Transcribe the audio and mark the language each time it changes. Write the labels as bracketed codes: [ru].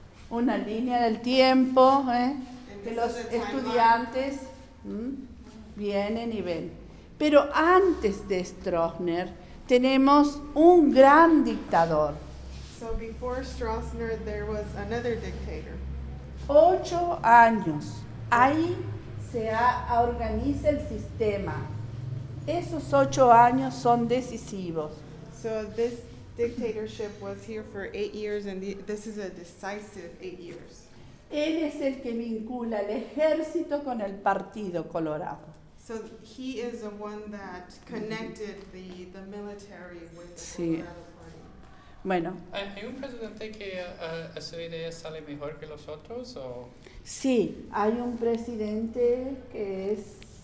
[es] Una línea del tiempo, que los estudiantes vienen y ven. Pero antes de Stroessner, tenemos un gran dictador. [en] So before Stroessner, there was another dictator. [es] 8 años. Ahí se organiza el sistema. Esos 8 años son decisivos. [en] So this dictatorship was here for 8 years, and this is a decisive 8 years. [es] Él es el que vincula el ejército con el Partido Colorado. [en] So he is the one that connected the military with the Colorado Party. [es] Bueno. ¿Hay un presidente que a su idea sale mejor que los otros? O? Sí, hay un presidente que es...